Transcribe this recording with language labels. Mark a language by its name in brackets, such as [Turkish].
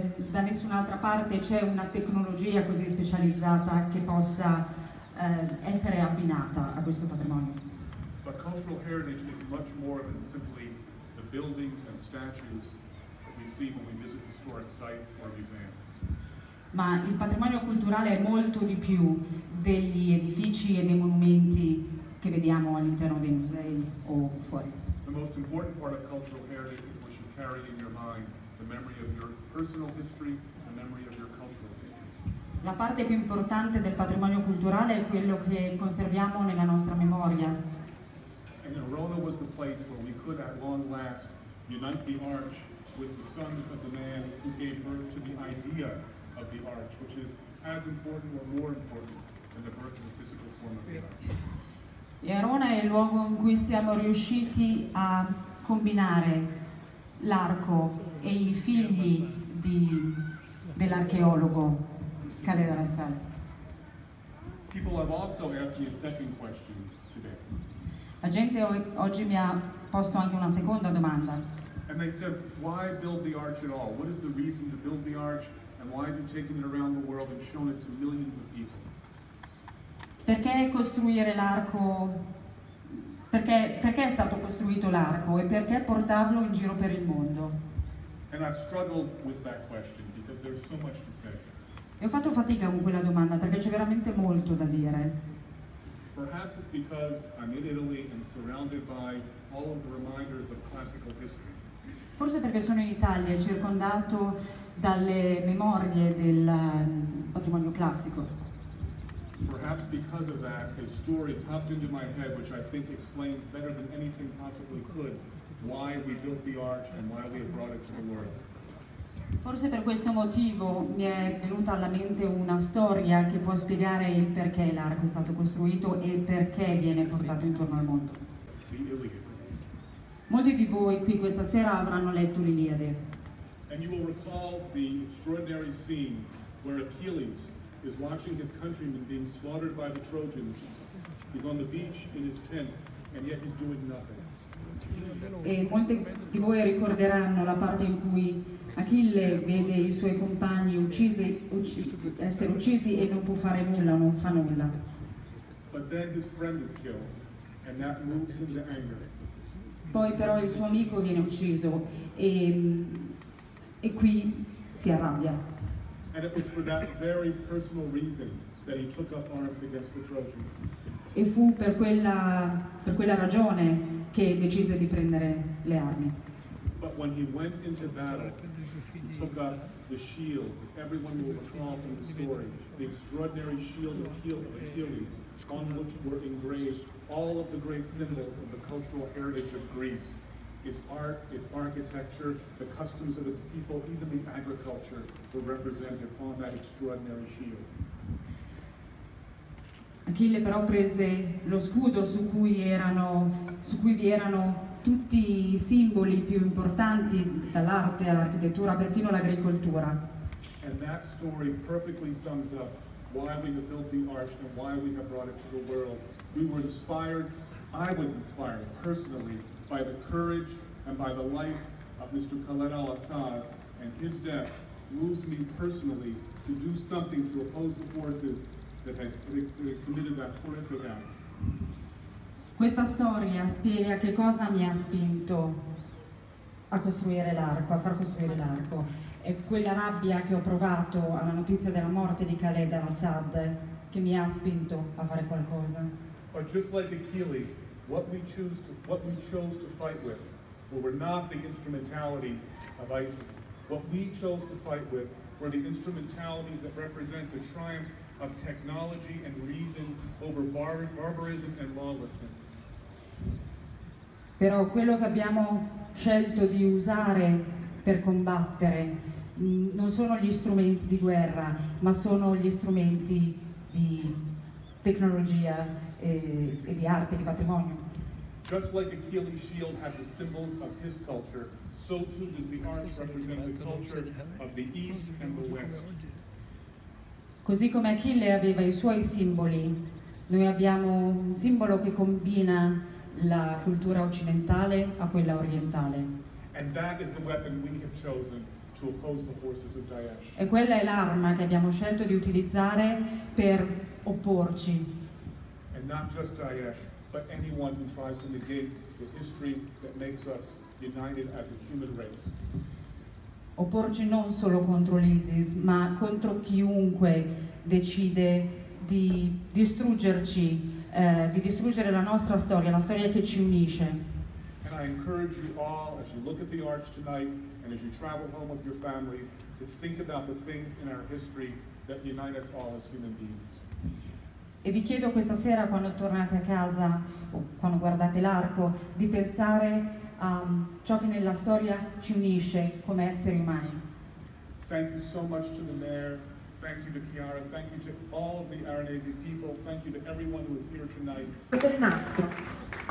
[Italian] Da nessun'altra parte c'è una tecnologia così specializzata che possa essere abbinata a questo patrimonio. [English] But cultural heritage is much more than simply the buildings and statues that we see when we visit historic sites or museums. [Italian] Ma il patrimonio culturale è molto di più degli edifici e dei monumenti che vediamo all'interno dei musei o fuori. [English] The most important part of cultural heritage is what you carry in your mind. The memory of your personal history, the memory of your cultural history. [Italian] La parte più importante del patrimonio culturale è quello che conserviamo nella nostra memoria. [English] And Arona was the place where we could at long last unite the arch with the sons of the man who gave birth to the idea of the arch, which is as important or more important than the birth of the physical form of the arch. [Italian] E Arona è il luogo in cui siamo riusciti a combinare l'arco e i figli dell'archeologo Cale della Santa. [English] People have also asked me a second question today. [Italian] La gente oggi mi ha posto anche una seconda domanda. [English] And they said, why build the arch at all? What is the reason to build the arch? And why have you taken it around the world and shown it to millions of people? [Italian] Perché costruire l'arco? Perché è stato costruito l'arco e perché portarlo in giro per il mondo? [English] And I've struggled with that question because there's so much to say. [Italian] E ho fatto fatica con quella domanda perché c'è veramente molto da dire. [English] Perhaps it's because I'm in Italy and surrounded by all of the reminders of classical history. [Italian] Forse perché sono in Italia e circondato dalle memorie del patrimonio classico. [English] Perhaps because of that, a story popped into my head which I think explains better than anything possibly could why we built the arch and why we have brought it to the world. [Italian] Forse per questo motivo mi è venuta alla mente una storia che può spiegare il perché l'arco è stato costruito e perché viene portato intorno al mondo. Molti di voi qui questa sera avranno letto l'Iliade. [English] And you will recall the extraordinary scene where Achilles is watching his countrymen being slaughtered by the Trojans. He's on the beach in his tent, and yet he's doing nothing. [Italian] E molti di voi ricorderanno la parte in cui Achille vede i suoi compagni essere uccisi e non può fare nulla, non fa nulla. [English] But then his friend is killed, and that moves him to anger. [Italian] Poi però il suo amico viene ucciso e qui si arrabbia. [English] And it was for that very personal reason that he took up arms against the Trojans. [Italian] E fu per quella ragione che decise di prendere le armi. [English] But when he went into battle, took up the shield. Everyone will recall from the story the extraordinary shield of Achilles, on which were engraved all of the great symbols of the cultural heritage of Greece. Its art, its architecture, the customs of its people, even the agriculture were represented on that extraordinary shield. [Italian] Achille però prese lo scudo su cui vi erano tutti i simboli più importanti dall'arte all'architettura, perfino l'agricoltura. [English] And that story perfectly sums up why we have built the arch and why we have brought it to the world. We were inspired, I was inspired personally, by the courage and by the life of Mr. Khaled al-Assad, and his death moved me personally to do something to oppose the forces that had committed that horrific act. [Italian] Questa storia spiega che cosa mi ha spinto a costruire l'arco, a far costruire l'arco. È quella rabbia che ho provato alla notizia della morte di Khaled al-Assad che mi ha spinto a fare qualcosa. [English] Or just like Achilles, what we chose to fight with were not the instrumentalities of ISIS. What we chose to fight with were the instrumentalities that represent the triumph of technology and reason over barbarism and lawlessness. [Italian] Però quello che abbiamo scelto di usare per combattere non sono gli strumenti di guerra, ma sono gli strumenti di tecnologia e di arte, di patrimonio. [English] Just like Achilles' shield had the symbols of his culture, so too does the arch represent the culture of the East and the West. [Italian] Così come Achille aveva i suoi simboli, noi abbiamo un simbolo che combina la cultura occidentale a quella orientale. [English] And that is the weapon we have chosen to oppose the forces of Daesh. [Italian] E quella è l'arma che abbiamo scelto di utilizzare per opporci. [English] And not just Daesh, but anyone who tries to negate the history that makes us united as a human race. [Italian] Opporci non solo contro l'ISIS, ma contro chiunque decide di distruggerci, di distruggere la nostra storia, la storia che ci unisce. [English] And I encourage you all, as you look at the arch tonight, and as you travel home with your families, to think about the things in our history that unite us all as human beings. [Italian] E vi chiedo questa sera, quando tornate a casa, o quando guardate l'arco, di pensare a ciò che nella storia ci unisce come esseri umani. [English] Thank you so much to the mayor. Thank you to Chiara, thank you to all of the Aranesi people, thank you to everyone who is here tonight.